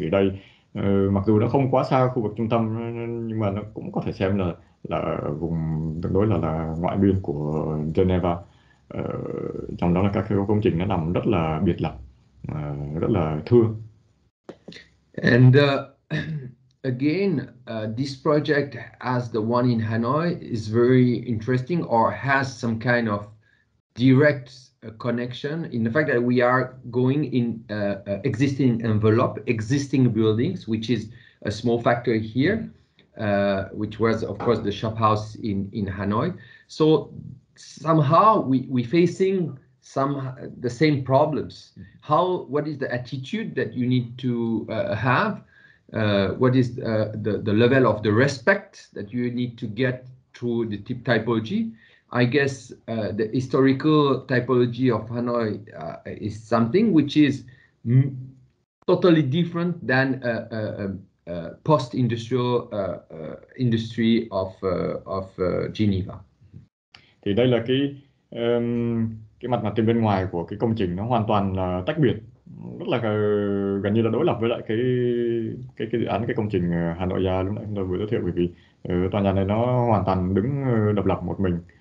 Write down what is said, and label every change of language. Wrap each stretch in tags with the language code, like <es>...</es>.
<vi>Thì đây mặc dù nó không quá xa khu vực trung tâm nhưng mà nó cũng có thể xem là vùng tương đối là ngoại biên của Geneva. Trong đó là các cái công trình nó nằm rất là biệt lập, rất là thưa.</vi> <en>And again, this project as the one in Hanoi is very interesting or has some kind of direct connection in the fact that we are going in existing envelope, existing buildings, which is a small factor here, which was, of course, the shop house in Hanoi. So somehow we facing some the same problems. How, what is the attitude that you need to have? What is the level of the respect that you need to get to the typology? I guess the historical typology of Hanoi is something which is totally different than a post-industrial industry of Geneva.</en> <vi>Thì đây là cái mặt mặt tiền bên ngoài của cái công trình, nó hoàn toàn là tách biệt, rất là gần như là đối lập với lại cái dự án, cái công trình Hà Nội Gia lúc nãy chúng tôi vừa giới thiệu, bởi vì tòa nhà này nó hoàn toàn đứng độc lập một mình.</vi>